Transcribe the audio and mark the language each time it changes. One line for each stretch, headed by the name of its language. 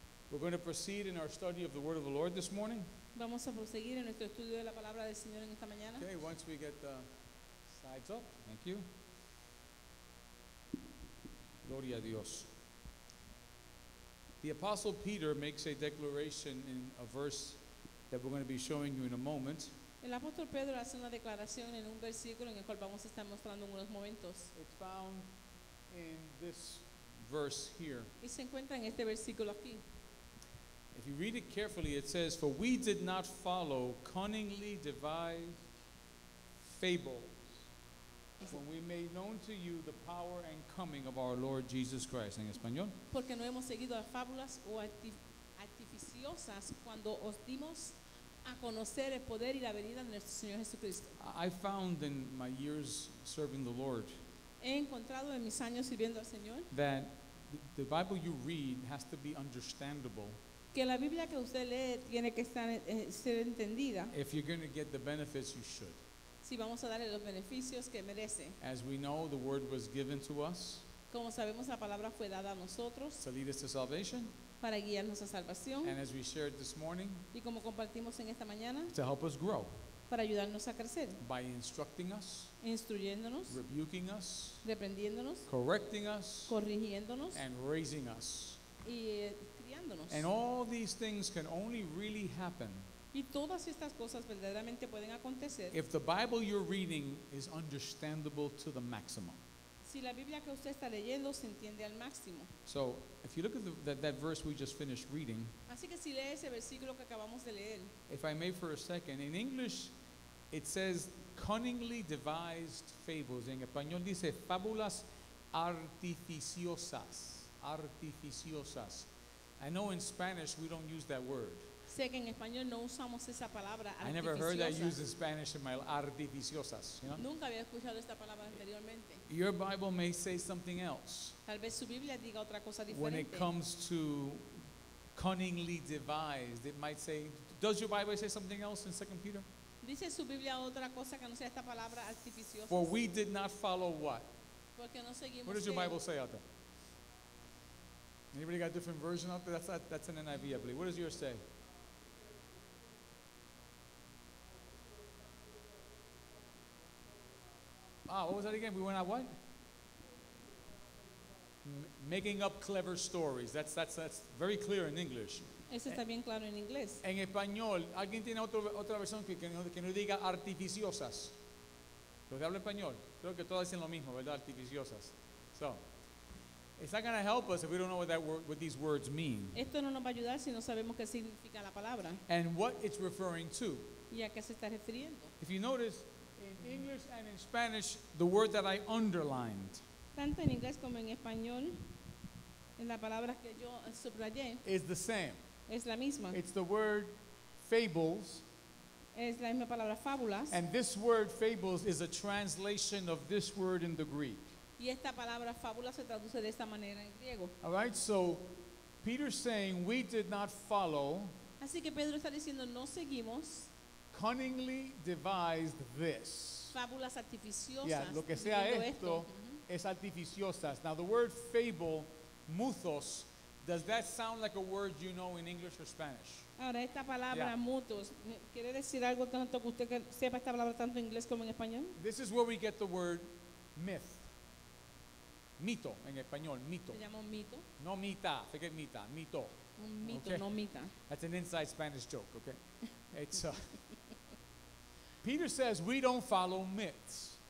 English: We're going to proceed in our study of the Word of the Lord this morning.
Spanish: Vamos a proseguir en nuestro estudio de la palabra del Señor en esta mañana.
English: Okay, once we get the slides up. Thank you.
Spanish: Gloria a Dios.
English: The Apostle Peter makes a declaration in a verse that we're going to be showing you in a moment.
Spanish: El apóstol Pedro hace una declaración en un versículo en el cual vamos a estar mostrando en unos momentos.
English: It's found in this verse here.
Spanish: Y se encuentra en este versículo aquí.
English: If you read it carefully, it says, "For we did not follow cunningly devised fables when we made known to you the power and coming of our Lord Jesus Christ."
Spanish: En español. Porque no hemos seguido las fábulas o artificiosas cuando os dimos a conocer el poder y la venida de nuestro Señor Jesucristo.
English: I found in my years serving the Lord that the Bible you read has to be understandable.
Spanish: Que la Biblia que usted lee tiene que estar, ser entendida.
English: If you're going to get the benefits, you should.
Spanish: Si vamos a darle los beneficios que merece.
English: As we know, the word was given to us.
Spanish: Como sabemos, la palabra fue dada a nosotros.
English: To lead us to salvation.
Spanish: Para guiarnos a salvación.
English: And as we shared this morning.
Spanish: Y como compartimos en esta mañana.
English: To help us grow.
Spanish: Para ayudarnos a crecer.
English: By instructing us.
Spanish: Instruyéndonos.
English: Rebuking us.
Spanish: Reprendiéndonos.
English: Correcting us.
Spanish: Corrigiéndonos.
English: And raising us.
Spanish: Y
English: And all these things can only really happen
Spanish: y todas estas cosas verdaderamente pueden acontecer
English: if the Bible you're reading is understandable to the maximum.
Spanish: Si la Biblia que usted está leyendo se entiende al máximo.
English: So, if you look at that verse we just finished reading,
Spanish: así que si lee ese versículo que acabamos de leer,
English: if I may for a second, in English it says cunningly devised fables.
Spanish: En español dice fábulas artificiosas. Artificiosas.
English: I know in Spanish we don't use that word.
Spanish: Sé que en español no usamos esa palabra, artificiosa.
English: I never heard that used in Spanish in my artificiosas. You know?
Spanish: Nunca había escuchado esta palabra anteriormente.
English: Your Bible may say something else.
Spanish: Tal vez su Biblia diga otra cosa diferente.
English: When it comes to cunningly devised, it might say, does your Bible say something else in 2 Peter?
Spanish: Dice su Biblia otra cosa que no sea esta palabra artificiosa.
English: For we did not follow what?
Spanish: Porque no seguimos.
English: What does your Bible say out there? Anybody got a different version of it? That's an NIV, I believe. What does yours say? Ah, what was that again? We went out what? Making up clever stories. That's very clear in English.
Spanish: Eso está bien claro en inglés. En español, ¿alguien tiene otra versión que no diga artificiosas? Los que hablan español, creo que todos dicen lo mismo, ¿verdad? Artificiosas. So.
English: It's not going to help us if we don't know what these words mean.
Spanish: Esto no nos va a ayudar si no sabemos qué significa la palabra.
English: And what it's referring to.
Spanish: ¿Y a qué se está refiriendo?
English: If you notice, in English and in Spanish, the word that I underlined.
Spanish: Tanto en inglés como en español, en la palabra que yo subrayé.
English: Is the same.
Spanish: Es la misma.
English: It's the word fables.
Spanish: Es la misma palabra fábulas.
English: And this word fables is a translation of this word in the Greek.
Spanish: Y esta palabra fábula se traduce de esta manera en griego.
English: All right, so Peter's saying we did not follow.
Spanish: Así que Pedro está diciendo no seguimos.
English: Cunningly devised this.
Spanish: Fábulas artificiosas. Yeah, lo que sea esto es artificiosas.
English: Now the word fable, muthos, does that sound like a word you know in English or Spanish?
Spanish: Ahora esta palabra muthos, ¿quiere decir algo tanto que usted sepa esta palabra tanto en inglés como en español?
English: This is where we get the word myth.
Spanish: Mito, en español, mito. Se llama un mito. No mita, forget mita, mito. Un mito, okay. No mita.
English: That's an inside Spanish joke, okay? It's Peter says we don't follow myths.